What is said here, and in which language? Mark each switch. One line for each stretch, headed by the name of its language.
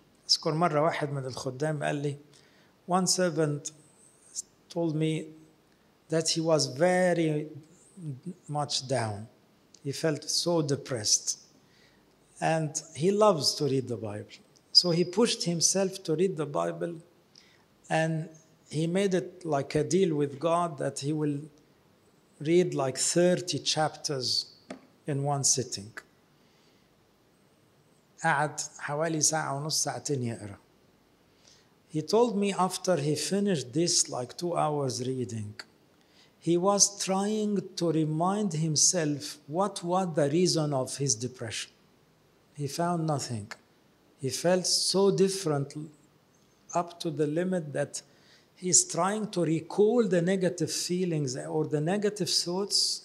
Arabic: اذكر مرة واحد من الخدام قال لي
English: one servant told me that he was very much down, he felt so depressed and he loves to read the Bible, so he pushed himself to read the Bible and he made it like a deal with God that he will read like 30 chapters in one sitting.
Arabic: قعد حوالي ساعة ونص ساعتين يقرأ.
English: He told me after he finished this like 2 hours reading, he was trying to remind himself what was the reason of his depression. He found nothing. He felt so different up to the limit that he's trying to recall the negative feelings or the negative thoughts.